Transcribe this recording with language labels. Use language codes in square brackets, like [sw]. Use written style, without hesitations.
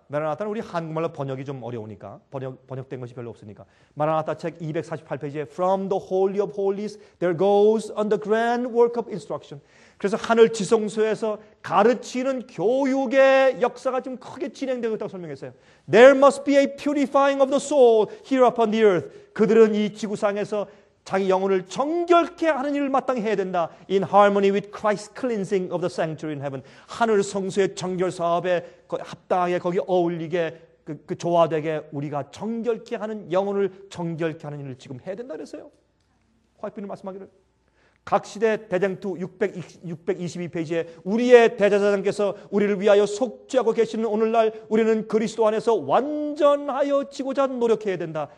[ko] 마라나타는 우리 한국말로 번역이 좀 어려우니까 번역된 것이 별로 없으니까 마라나타 책 248페이지에 [en] From the Holy of Holies there goes on the grand work of instruction. [ko] 그래서 하늘 지성소에서 가르치는 교육의 역사가 좀 크게 진행되고 있다고 설명했어요. [en] There must be a purifying of the soul here upon the earth. [ko] 그들은 이 지구상에서 자기 영혼을 정결케 하는 일을 마땅히 해야 된다. [en] In harmony with Christ's cleansing of the sanctuary in heaven. [ko] 하늘 성소의 정결 사업에 합당하게 거기 어울리게 그 조화되게 우리가 정결케 하는 영혼을 정결케 하는 일을 지금 해야 된다 그랬어요. 화이트비는 말씀하기를. 각 시대 대쟁투 622페이지에 우리의 대제사장께서 우리를 위하여 속죄하고 계시는 오늘날 우리는 그리스도 안에서 완전하여지고자 노력해야 된다.